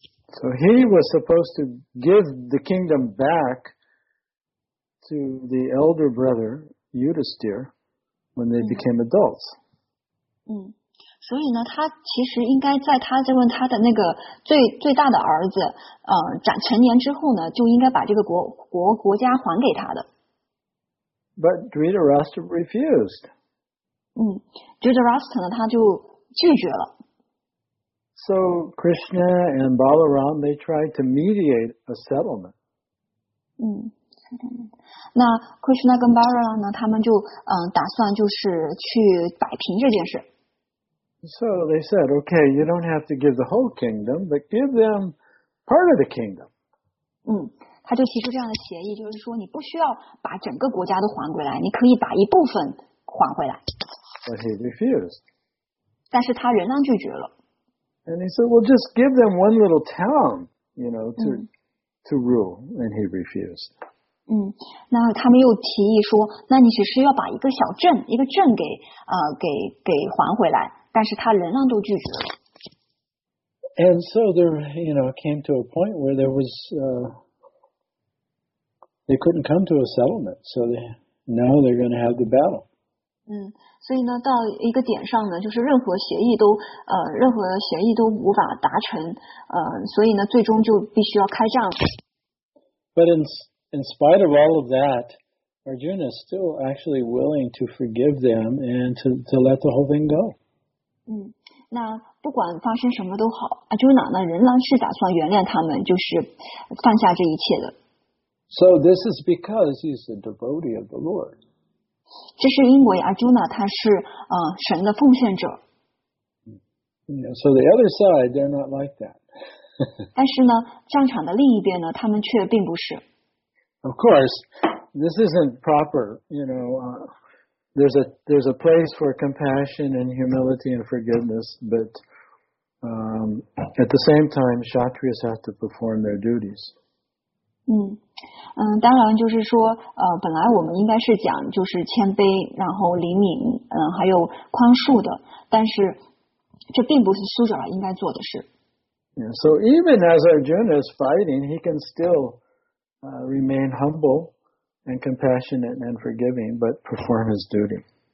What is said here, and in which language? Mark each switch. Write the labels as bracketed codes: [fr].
[en] So he was supposed to give the kingdom back to the elder brother Yudhishthir when they became adults. [zh] 所以呢，他其实应该在他这问他的那个最大的儿子，长成年之后呢，就应该把这个国家还给他的。 [en] But Dhritarashtra refused. [zh] Dhritarashtra 呢，他就拒绝了。 [en] So Krishna and Balaram they tried to mediate a settlement. [zh] 那 Krishna 跟 Balaram 呢，他们就打算就是去摆平这件事。 [en] So they said, okay, you don't have to give the whole kingdom, but give them part of the kingdom. [zh] 他就提出这样的协议，就是说你不需要把整个国家都还回来，你可以把一部分还回来。 [en] But he refused. [zh] 但是他仍然拒绝了。 [en] And he said, well, just give them one little town, you know, to rule. And he refused. [zh] 那他们又提议说，那你只是要把一个小镇，一个镇给给还回来，但是他仍然都拒绝了。 [en] And so there, you know, came to a point where there was, they couldn't come to a settlement. So now they're going to have the battle. [zh] 所以呢，到一个点上呢，就是任何协议都任何协议都无法达成，所以呢，最终就必须要开战。 [en] But in spite of all of that, Arjuna is still actually willing to forgive them and to let the whole thing go. [zh] 那不管发生什么都好 ，Arjuna 呢仍然是打算原谅他们，就是放下这一切的。 [en] So this is because he's a devotee of the Lord. [zh] 这是因为 Arjuna 他是神的奉献者。 [en] Yeah, so the other side they're not like that. [zh] 但是呢，战场的另一边呢，他们却并不是。 [en] Of course, this isn't proper. You know, there's a place for compassion and humility and forgiveness, but at the same time, Kshatriyas have to perform their duties. [zh] 当然就是说本来我们应该是讲就是谦卑然后灵敏还有宽恕的，但是这并不是修者应该做的事。 [en] Yeah, so even as Arjuna is fighting, he can still remain humble and compassionate and forgiving, but perform his duty.